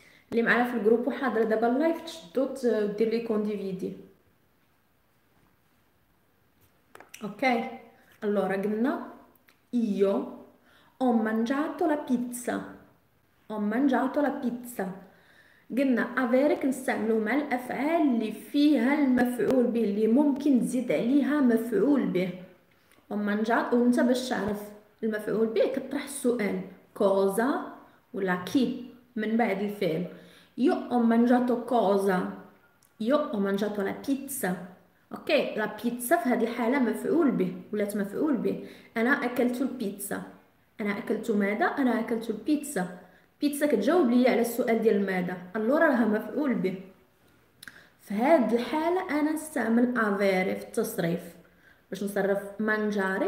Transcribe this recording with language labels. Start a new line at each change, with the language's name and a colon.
Arabic: اللي معايا في الجروب وحاضر دابا اللايف تشدو ودير لي كونديفيدي.
Italian: اوكي allora قلنا io ho mangiato la pizza. Ho mangiato la pizza.
Arabic: قلنا avere كنستعملو مع الافعال اللي فيها المفعول به اللي ممكن تزيد عليها مفعول به.
Italian: ho mangiato
Arabic: وانت باش تعرف المفعول به كطرح السؤال cosa ولا chi من بعد الفعل.
Italian: io ho mangiato cosa, io ho mangiato la pizza.
Arabic: اوكي لا بيتزا في هذه الحاله مفعول به ولات مفعول به. انا اكلت البيتزا. انا اكلت ماذا؟ انا اكلت البيتزا. بيتزا كتجاوب لي على السؤال ديال ماذا. اللورا راه مفعول به. في هذه الحاله انا نستعمل افيري في التصريف باش نصرف مانجاري.